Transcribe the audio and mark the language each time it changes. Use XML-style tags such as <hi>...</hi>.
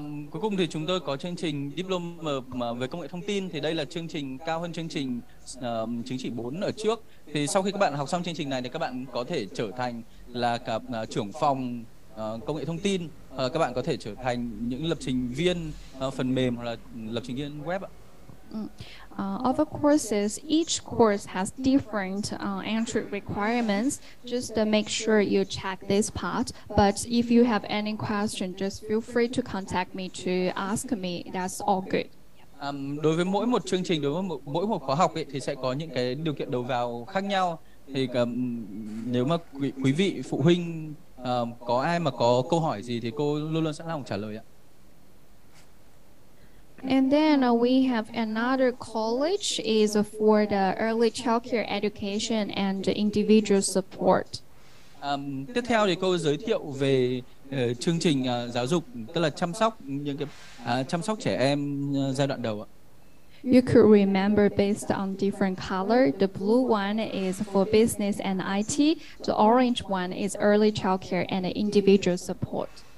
<vi>Cuối cùng thì chúng tôi có chương trình diploma về công nghệ thông tin, thì đây là chương trình cao hơn chương trình chứng chỉ 4 ở trước. Thì sau khi các bạn học xong chương trình này thì các bạn có thể trở thành là cả trưởng phòng công nghệ thông tin, các bạn có thể trở thành những lập trình viên phần mềm hoặc là lập trình viên web ạ.</vi> <en>Other courses, each course has different entry requirements. Just make sure you check this part. But if you have any question, just feel free to contact me to ask me. That's all good.</en> <vi>Đối với mỗi một chương trình, đối với mỗi một khóa học ấy, thì sẽ có những cái điều kiện đầu vào khác nhau. Thì nếu mà quý vị phụ huynh có ai mà có câu hỏi gì thì cô luôn luôn sẵn lòng trả lời ạ.</vi> <en>And then we have another college is for the early childcare education and individual support.</en> <vi>Tiếp theo thì cô giới thiệu về chương trình giáo dục tức là chăm sóc những cái chăm sóc trẻ em giai đoạn đầu ạ.</vi> <en>You could remember based on different color. The blue one is for business and IT. The orange one is early childcare and individual support.</en>